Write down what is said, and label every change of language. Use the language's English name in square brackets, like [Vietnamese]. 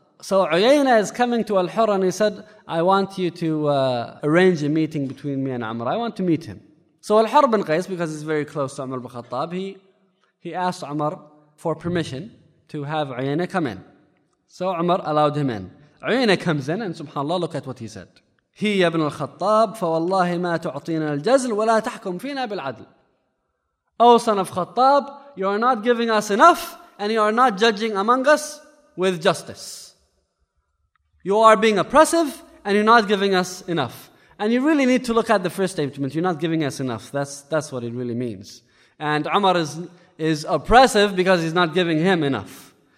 [English] So Uyayna is coming to Al-Hur and he said, I want you to arrange a meeting between me and Umar. I want to meet him. So Al-Hur bin Qais, because he's very close to Umar bin Khattab, he asked Umar for permission to have Uyayna come in. So Umar allowed him in. Uyayna comes in and subhanAllah, look at what he said. [Arabic] He, Ibn al-Khattab, فَوَاللَّهِ مَا تُعْطِينَا الْجَزْلِ وَلَا تَحْكُمْ فِينَا بِالْعَدْلِ. [English] Oh, son of Khattab, you are not giving us enough and you are not judging among us with justice. You are being oppressive and you're not giving us enough. And you really need to look at the first statement. You're not giving us enough. That's what it really means. And Umar is oppressive because he's not giving him enough.